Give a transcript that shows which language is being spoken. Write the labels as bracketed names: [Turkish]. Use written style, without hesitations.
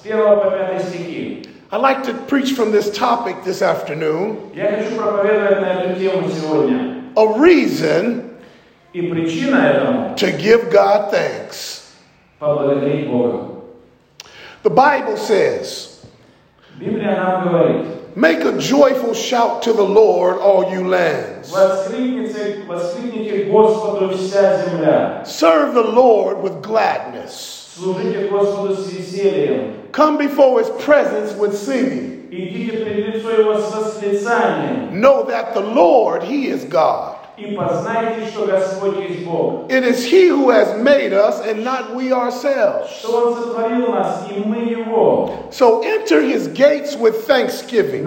[English] I'd like to preach from this topic this afternoon. [Russian] Я хочу проповедовать на эту тему сегодня. [English] A reason [Russian] и причина этому [English] to give God thanks. [Russian] Поблагодарить Бога. [English] The Bible says, [Russian] Библия нам говорит, [English] make a joyful shout to the Lord, all you lands. [Russian] Воскликните Господу вся земля. [English] Serve the Lord with gladness. [Russian] Служите Господу с весельем. [English] Come before his presence with singing. Know that the Lord, he is God. It is he who has made us and not we ourselves. So enter his gates with thanksgiving.